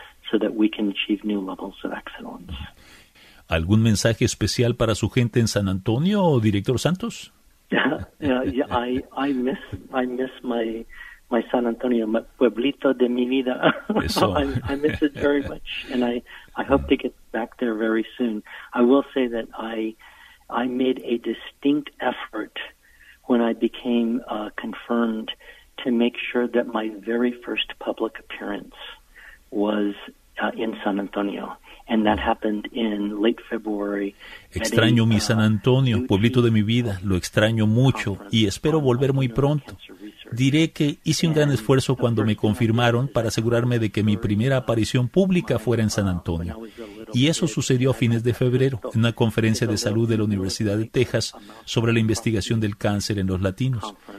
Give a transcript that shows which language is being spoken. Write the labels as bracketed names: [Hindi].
[English] So that we can achieve new levels of excellence. [Spanish] ¿Algún mensaje especial para su gente en San Antonio, director Santos? [English] I miss my San Antonio, my [Spanish] pueblito de mi vida. [English] I miss it very much, and I hope to get back there very soon. I will say that I made a distinct effort when I became confirmed to make sure that my very first public appearance was in San Antonio, and that happened in late February. [Spanish] Extraño mi San Antonio, pueblito de mi vida, lo extraño mucho y espero volver muy pronto. Diré que hice un gran esfuerzo cuando me confirmaron para asegurarme de que mi primera aparición pública fuera en San Antonio. Y eso sucedió a fines de febrero, en una conferencia de salud de la Universidad de Texas sobre la investigación del cáncer en los latinos.